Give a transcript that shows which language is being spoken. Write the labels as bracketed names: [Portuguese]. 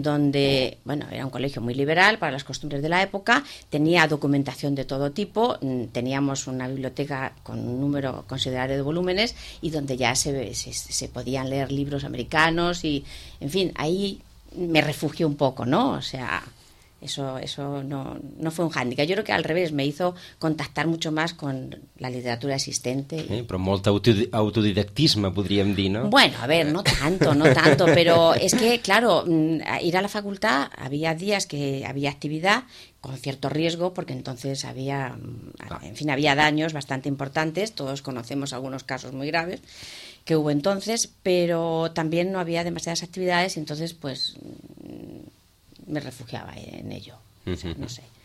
[Spanish] donde, bueno, era un colegio muy liberal para las costumbres de la época, tenía documentación de todo tipo, teníamos una biblioteca con un número considerable de volúmenes y donde ya se podían leer libros americanos y, en fin, ahí... me refugié un poco, ¿no? O sea, eso no fue un hándicap. Yo creo que al revés, me hizo contactar mucho más con la literatura existente. Y... [Catalan] Sí, però molt autodidactisme, podríem dir, ¿no? [Spanish] Bueno, a ver, no tanto, pero es que, claro, ir a la facultad, había días que había actividad con cierto riesgo, porque entonces había, en fin, había daños bastante importantes, todos conocemos algunos casos muy graves, que hubo entonces, pero también no había demasiadas actividades y entonces pues me refugiaba en ello, o sea, no sé.